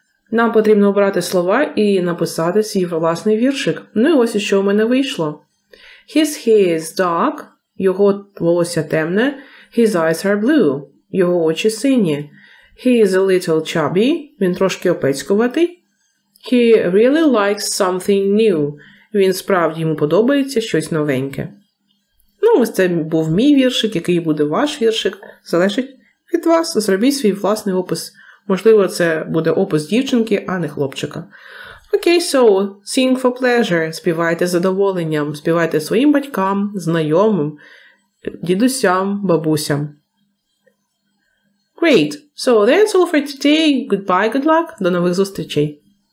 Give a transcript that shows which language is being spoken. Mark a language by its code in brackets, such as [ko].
[uk] Нам потрібно обрати слова і написати свій власний віршик. Ну і ось, що у мене вийшло. [en] His hair is dark. [uk] Його волосся темне. [en] His eyes are blue. [uk] Його очі сині. [en] He is a little chubby. [uk] Він трошки опецькуватий. [en] He really likes something new. [uk] Він справді йому подобається щось новеньке. Ну, ось це був мій віршик, який буде ваш віршик. Залежить від вас. Зробіть свій власний опис. Можливо, це буде опис дівчинки, а не хлопчика. [en] Окей, so, sing for pleasure. [uk] Співайте з задоволенням. Співайте своїм батькам, знайомим, дідусям, бабусям. [en] Great, so that's all for today. Goodbye, good luck. [uk] До нових зустрічей.